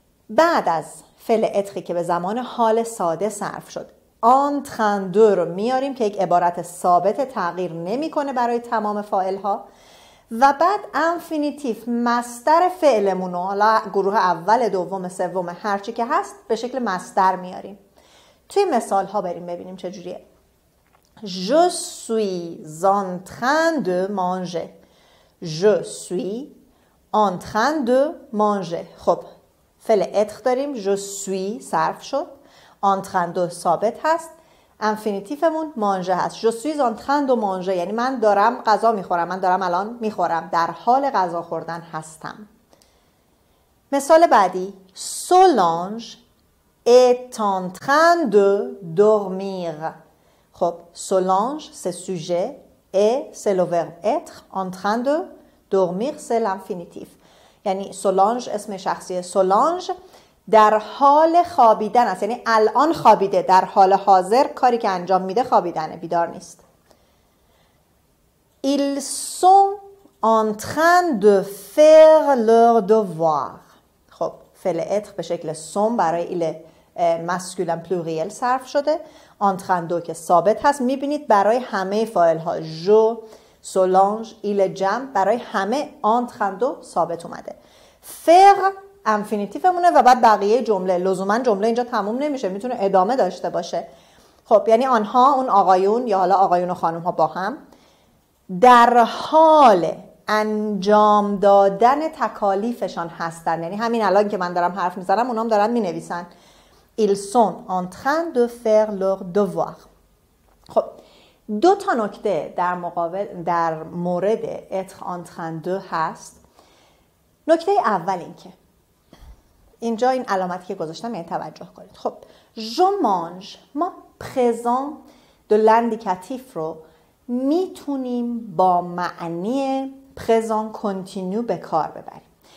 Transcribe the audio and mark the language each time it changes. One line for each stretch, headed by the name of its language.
Persian: بعد از فعل اتری که به زمان حال ساده صرف شد آن تخندو رو میاریم که یک عبارت ثابت تغییر نمیکنه برای تمام فاعل ها، و بعد انفینیتیف مصدر فعلمونو، حالا گروه اول دوم سوم هرچی که هست، به شکل مصدر میاریم. توی مثال ها بریم ببینیم چجوریه.
French: Je suis en train de manger. Je suis en train de manger.
Persian: خب فعل اتر داریم،
French: je suis
Persian: صرف شد،
French: en train de
Persian: ثابت هست، انفینیتیفمون مانژه هست.
French: Je suis en train de manger
Persian: یعنی من دارم غذا میخورم، من دارم الان میخورم، در حال غذا خوردن هستم. مثال بعدی
French: Solange est en train de dormir.
Persian: خب
French: Solange c'est sujet et c'est le verbe être. En train de dormir c'est l'infinitif.
Persian: یعنی Solange اسم شخصیه، Solange در حال خوابیدن است، یعنی الان خوابیده، در حال حاضر کاری که انجام میده خوابیدنه، بیدار نیست.
French: Ils sont en train de faire leur devoir.
Persian: خب فعل اتر به شکل سون برای ایل مسکولن پلوریل صرف شده،
French: en train de
Persian: که ثابت هست، میبینید برای همه فاعل ها جو، سولانج، ایل جم، برای همه en train de ثابت اومده. faire انفینیتیفمونه و بعد بقیه جمله، لزوماً جمله اینجا تموم نمیشه، میتونه ادامه داشته باشه. خب یعنی آنها، اون آقایون یا حالا آقایون و خانم ها با هم در حال انجام دادن تکالیفشان هستن، یعنی همین الان که من دارم حرف میزنم اونام دارن مینویسن.
French: Ils sont en train de faire leur devoir.
Persian: خب دو تا نکته در مقابل در مورد
French: être en train de
Persian: هست. نکته اول این که اینجا این علامتی که گذاشتم یعنی توجه کنید. خب جو مانج، ما پرزان دو لندیکاتیف رو میتونیم با معنی پرزان کنتینیو به کار ببریم.